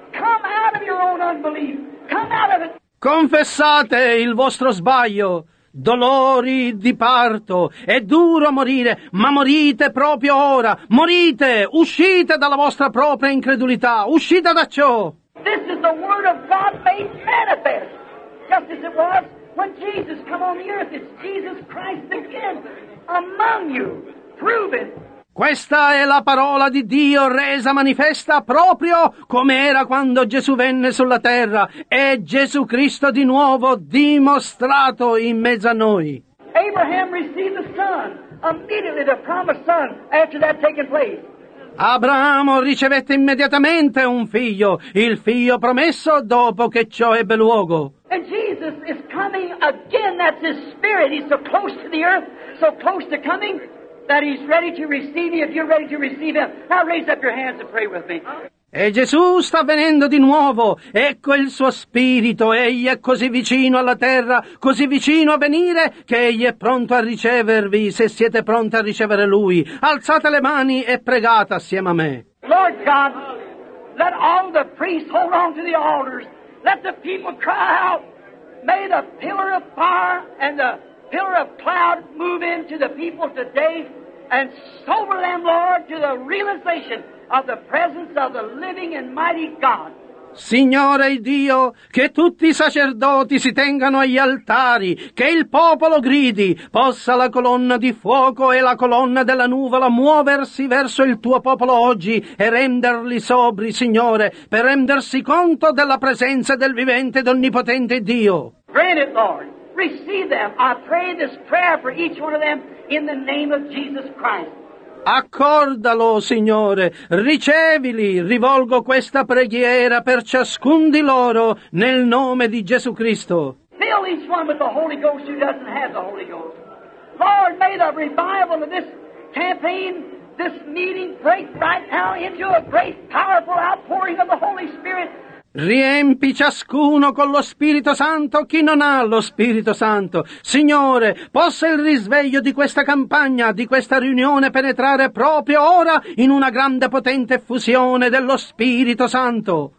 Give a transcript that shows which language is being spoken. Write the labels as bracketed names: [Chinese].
[English] Come out of your own unbelief. [Italian] Confessate il vostro sbaglio, dolori di parto, è duro morire, ma morite proprio ora, morite, uscite dalla vostra propria incredulità, uscite da ciò. [English] This is the word of God made manifest, just as it was when Jesus came on the earth, it's Jesus Christ again among you, prove it. [Italian] Questa è la parola di Dio resa manifesta proprio come era quando Gesù venne sulla terra. È Gesù Cristo di nuovo dimostrato in mezzo a noi. [English] Abraham received the son, immediately the promised son, after that taken place. [Italian] Abramo ricevette immediatamente un figlio, il figlio promesso dopo che ciò ebbe luogo. [English] And Jesus is coming again. That's his spirit. He's so close to the earth, so close to coming, that he's ready to receive you if you're ready to receive him. Now raise up your hands and pray with me. [Italian] E Gesù sta venendo di nuovo, ecco il suo spirito, egli è così vicino alla terra, così vicino a venire, che egli è pronto a ricevervi, se siete pronti a ricevere lui. Alzate le mani e pregate assieme a me. [English] Lord God, let all the priests hold on to the altars, let the people cry out, may the pillar of fire and the pillar of cloud move into the people today and sober them, Lord, to the realization of the presence of the living and mighty God. [Italian] Signore Dio, che tutti i sacerdoti si tengano agli altari, che il popolo gridi, possa la colonna di fuoco e la colonna della nuvola muoversi verso il tuo popolo oggi e renderli sobri, Signore, per rendersi conto della presenza del vivente ed onnipotente Dio. [English] Grant it, Lord. Receive them. I pray this prayer for each one of them in the name of Jesus Christ. [Italian] Accordalo, Signore, ricevili, rivolgo questa preghiera per ciascun di loro nel nome di Gesù Cristo. [English] Fill each one with the Holy Ghost who doesn't have the Holy Ghost. Lord, may the revival of this campaign, this meeting, break right now into a great, powerful outpouring of the Holy Spirit. [Italian] Riempi ciascuno con lo Spirito Santo chi non ha lo Spirito Santo. Signore, possa il risveglio di questa campagna, di questa riunione penetrare proprio ora in una grande potente effusione dello Spirito Santo.